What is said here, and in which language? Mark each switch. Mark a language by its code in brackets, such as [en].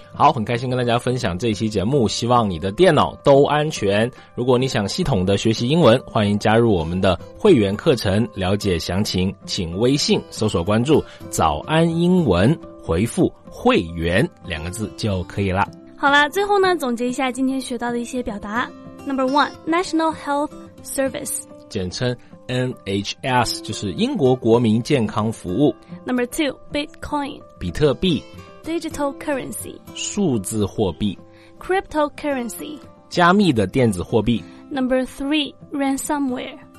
[zh] 好，很开心跟大家分享这一期节目，希望你的电脑都安全。如果你想系统的学习英文，欢迎加入我们的会员课程，了解详情请微信搜索关注早安英文，回复会员两个字就可以了。好啦，最后呢，总结一下今天学到的一些表达。 [en] Number one, National Health Service, [zh] 简称NHS, 就是英国国民健康服务。 [en] Number two, Bitcoin, [zh] 比特币。 [en] Digital currency, [zh] 数字货币。 [en] Cryptocurrency, [zh] 加密的电子货币。 [en] Number three, Ransomware,